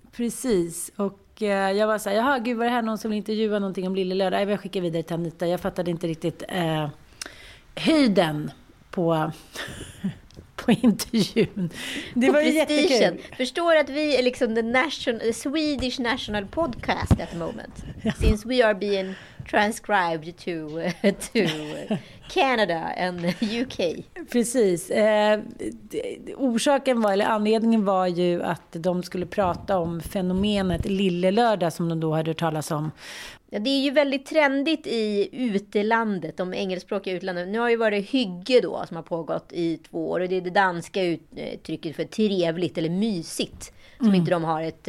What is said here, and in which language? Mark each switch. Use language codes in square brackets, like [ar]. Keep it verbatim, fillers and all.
[sv] Precis, och jag var så här, jaha gud, var det här någon som vill intervjua någonting om Lillelördag? Jag skickar vidare till Anita. Jag fattade inte riktigt eh, höjden på, på intervjun. Det var ju jättekul. Förstår att vi är liksom [en] the, nation, the Swedish national podcast at the moment. [sv] Ja. [en] Since we are being transcribed to, to Canada and U K. [sv] Precis. Eh, orsaken var, eller anledningen var ju att de skulle prata om fenomenet Lillelördag som de då hade hört talas om. Ja, det är ju väldigt trendigt i utlandet, de engelskspråkiga utlandet. Nu har ju varit hygge då som har pågått i två år. Och det är det danska uttrycket för trevligt eller mysigt. Som mm. inte de har ett...